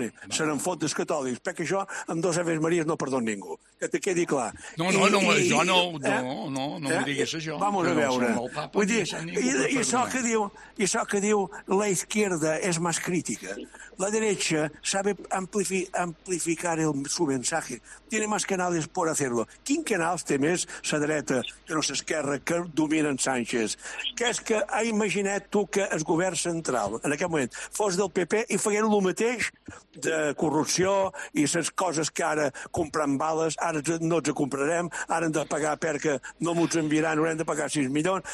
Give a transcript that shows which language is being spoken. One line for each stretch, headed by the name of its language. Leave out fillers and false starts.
Catalan: Se n'en fot dels catòlics, perquè jo amb dues àvies maries no perdon ningú. Que te quedi clar. No, jo no ho diguis això. Vull dir, això que diu
Spanish: la izquierda
Catalan: és més crítica.
Spanish: La derecha sabe amplificar su mensaje. Tiene más canales por hacerlo.
Catalan: Quin canal té més la dreta que no s'esquerra, que domina en Sánchez? Que és que ha imaginat tu que el govern central, en aquest moment, fos del PP i feien el mateix de corrupció i les coses que ara compren bales, ara no els comprarem, ara hem de pagar perquè no m'ho enviaran, haurem de pagar 6 milions.